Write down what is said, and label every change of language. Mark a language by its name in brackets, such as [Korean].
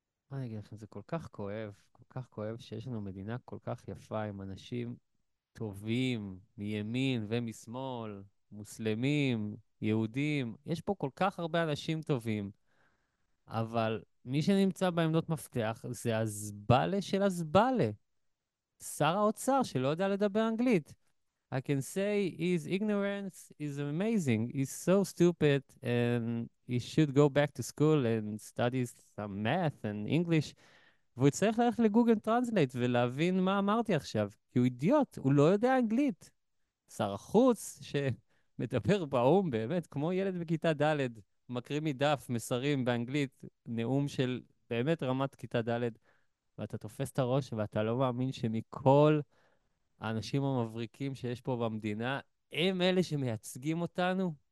[Hebrew] מה אני אגיד לכם, זה כל כך כואב, כל כך כואב שיש לנו מדינה כל כך יפה עם אנשים טובים, מימין ומשמאל, מוסלמים, יהודים. יש פה כל כך הרבה אנשים טובים, אבל מי שנמצא בעמדות מפתח זה הזבלה של הזבלה. שר האוצר שלא יודע לדבר אנגלית. [English] I can say his ignorance is amazing. He's so stupid and he should go back to school and study some math and English. [Hebrew] והוא צריך ללכת לגוגל טרנסלייט ולהבין מה אמרתי עכשיו. כי הוא אידיוט, הוא לא יודע אנגלית. שר החוץ שמדבר באום באמת, כמו ילד בכיתה ד' מקריא מדף מסרים באנגלית, נאום של באמת רמת כיתה ד', ואתה תופס את הראש ואתה לא מאמין שמכל האנשים המבריקים שיש פה במדינה, הם אלה שמייצגים אותנו.